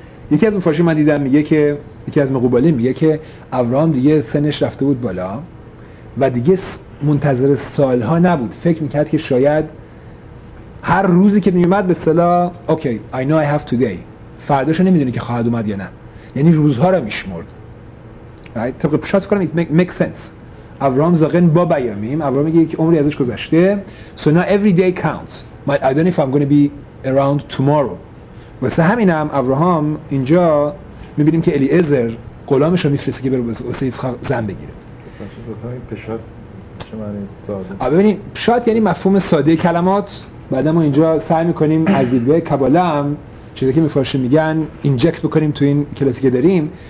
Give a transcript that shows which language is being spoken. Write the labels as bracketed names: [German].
[Persian] یکی از مفاشی من دیدم میگه که یکی از مقوبالی میگه که ابراهام دیگه سنش رفته بود بالا و دیگه منتظر سالها نبود، فکر میکرد که شاید هر روزی که میومد به سلا اوکی [English] I know I have today، [Persian] فرداشو نمیدونی که خواهد اومد یا نه، یعنی روزها رو میشمرد. طبق پیشات فکرم [English] it make sense. [Persian] ابراهام زاغن با بیامیم، ابراهام میگه که عمری ازش گذشته، [English] so now every day counts. I don't know if I'm going to be around tomorrow. [Persian] واسه همینم ابراهام اینجا میبینیم که الیعزر غلامش رو میفرسته که بره واسه یتخاق زن بگیره. پیشات چه معنی ساده؟ پیشات یعنی مفهوم ساده کلمات. بعد ما اینجا سعی میکنیم از دیدگاه کباله هم چیزی که مفاهیم میگن اینجکت بکنیم تو این کلاسی که داریم.